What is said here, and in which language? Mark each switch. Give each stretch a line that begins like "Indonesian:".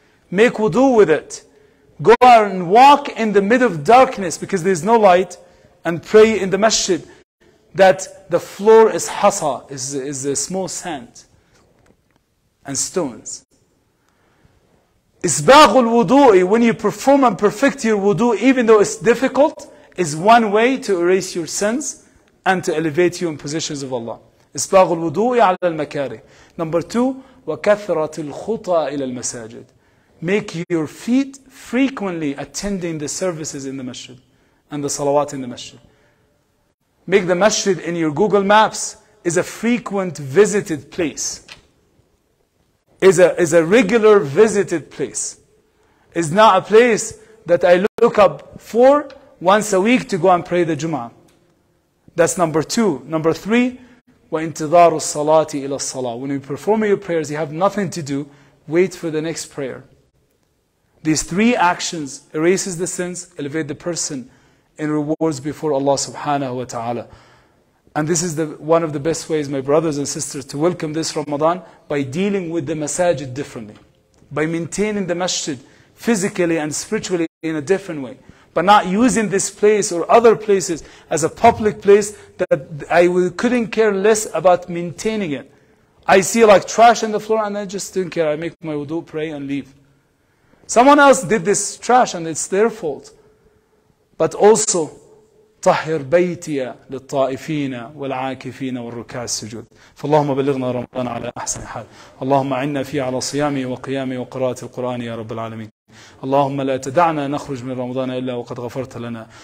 English: Make wudu with it. Go out and walk in the middle of darkness because there's no light, and pray in the masjid that the floor is hasa, is a small sand and stones.
Arabic: إسباغ الوضوء,
English: when you perform and perfect your wudu, even though it's difficult, is one way to erase your sins and to elevate you in positions of Allah.
Arabic: إسباغ الوضوء على المكاره.
English: Number two,
Arabic: وكثرة الخطى إلى المساجد.
English: Make your feet frequently attending the services in the masjid and the salawat in the masjid. Make the masjid in your Google Maps is a frequent visited place. Is a regular visited place. Is not a place that I look up for once a week to go and pray the Jum'ah. That's number two. Number three,
Arabic: وَإِنْتِظَارُ الصَّلَاةِ إِلَى الصَّلَاةِ.
English: When you perform your prayers, you have nothing to do. Wait for the next prayer. These three actions erases the sins, elevate the person in rewards before Allah subhanahu wa ta'ala. And this is one of the best ways, my brothers and sisters, to welcome this Ramadan, by dealing with the masajid differently. By maintaining the masjid physically and spiritually in a different way. But not using this place or other places as a public place that couldn't care less about maintaining it. I see like trash on the floor and I just don't care. I make my wudu, pray and leave. Someone else did this trash and it's their fault. But also,
Arabic: طهر بيتي للطائفين والعاكفين والركع السجود. فاللهم بلغنا رمضان على أحسن حال. اللهم عنا فيه على صيامه وقيامه وقراءة القرآن يا رب العالمين. اللهم لا تدعنا نخرج من رمضان إلا وقد غفرت لنا.